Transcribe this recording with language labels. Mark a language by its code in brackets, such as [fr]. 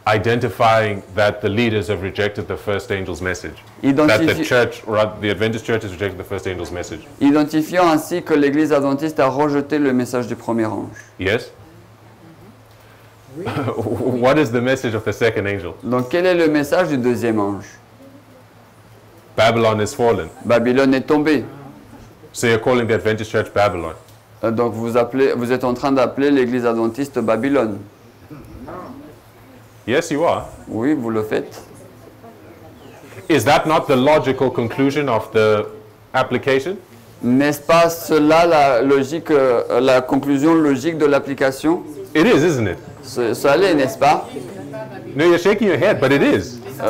[en] Identifying that the leaders have rejected the first angel's message. The Adventist Church has rejected the first angel's message. [fr] Identifiant ainsi que l'Église adventiste a rejeté le message du premier ange. [en] Yes. What is the message of the second angel? [fr] Donc quel est le message du deuxième ange? [en] Babylon is fallen. [fr] Babylone est tombée. [en] So you're calling the Adventist Church Babylon. [fr] Donc vous êtes en train d'appeler l'Église adventiste Babylone. [en] Yes, you are. [fr] Oui, vous le faites. [en] Is that not the logical conclusion of the application? [fr] N'est-ce pas cela la conclusion logique de l'application? [en] It is, isn't it? [fr] Ça l'est, n'est-ce pas? [en] No, you're shaking your head, but it is.